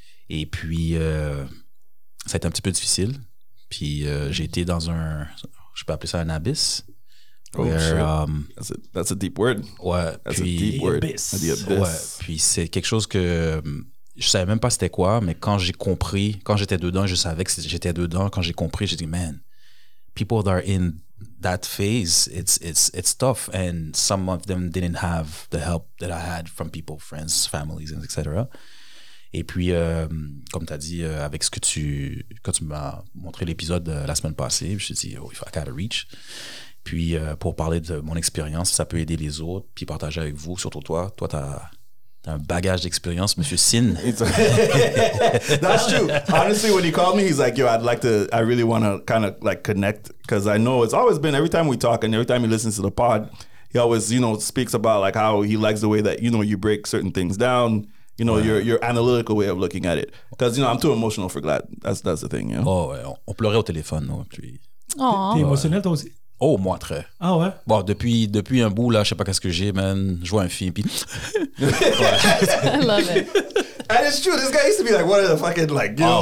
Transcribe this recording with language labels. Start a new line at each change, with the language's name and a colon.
French: Et puis, ça a été un petit peu difficile. Puis, j'ai été dans un, je peux appeler ça un abyss.
English: Oh, where, that's a deep word.
French: Ouais.
English: That's
French: puis,
English: a deep word. Abyss. The abyss.
French: Ouais. Puis, c'est quelque chose que je savais même pas c'était quoi, mais quand j'ai compris, quand j'étais dedans, je savais que j'étais dedans. Quand j'ai compris, j'ai dit,
English: man, people that are in that phase, it's tough. And some of them didn't have the help that I had from people, friends, families, etc.
French: Et puis, comme tu as dit, avec ce que tu... Quand tu m'as montré l'épisode la semaine passée, je me suis dit,
English: oh, I gotta reach.
French: Puis, pour parler de mon expérience, ça peut aider les autres, puis partager avec vous, surtout toi. Toi, t'as un bagage d'expérience, Monsieur Sin.
English: That's true. Honestly, when he called me, he's like, yo, I'd like to... I really want to kind of, like, connect, because I know it's always been, every time we talk and every time he listens to the pod, he always, you know, speaks about, like, how he likes the way that, you know, you break certain things down. You know, ouais. your analytical way of looking at it. Because, you know, I'm too emotional for Glad. That's the thing, you know?
French: Oh, ouais. On pleurait au téléphone, non? Puis... Oh, t'es émotionnel, toi aussi? Oh, moi, très. Ah, ouais? Bon, depuis un bout, là, je sais pas qu'est-ce que j'ai, man. Je vois un film, puis...
English: I love it. And it's true. This guy used to be like, what are the fucking, like, you know?